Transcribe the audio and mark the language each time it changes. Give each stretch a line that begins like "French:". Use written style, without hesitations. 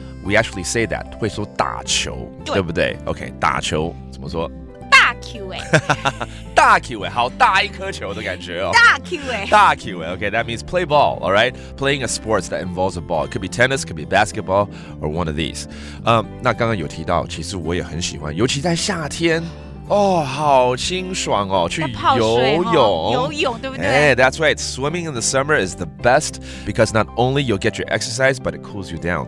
English: We actually say that.
Chinese: 会说打球，对不对？Okay, 打球怎么说？大球欸，大球欸，好大一颗球的感觉哦。大球欸
English: ，OK, that means play ball, all right? Playing a sports that involves a ball. It could be tennis, could be basketball, or one of these.
Chinese: 那刚刚有提到，其实我也很喜欢，尤其在夏天。 Oh, 好清爽哦，去游泳。对不对？
English: That's right, swimming in the summer is the best because not only you'll get your exercise, but it cools you down.